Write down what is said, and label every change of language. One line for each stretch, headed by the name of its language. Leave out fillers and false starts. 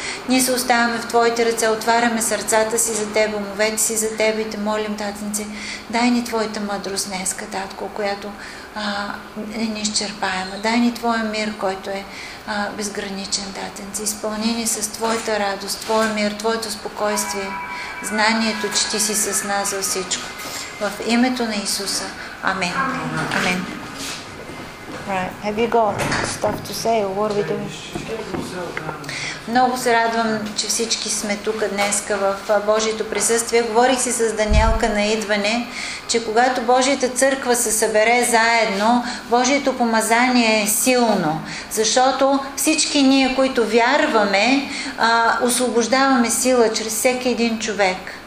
Bulgarian: Ние се оставяме в Твоите ръце, отваряме сърцата си за Тебе, умовете си за Тебе и те молим, Татенце, дай ни Твоята мъдрост днеска, Татко, която е неизчерпаема. Дай ни Твоя мир, който е безграничен, Татенце. Изпълни ни с Твоята радост, Твоя мир, Твоето спокойствие, знанието, че Ти си с нас за всичко. В името на Исуса. Амен. Амен.
English: Right. Have you got stuff to say or what are we doing?
Bulgarian: Много се радвам, че всички сме тук днеска в Божието присъствие. Говорих си с Даниелка на идване, че когато Божията църква се събере заедно, Божието помазание е силно, защото всички ние, които вярваме, освобождаваме сила чрез всеки един човек.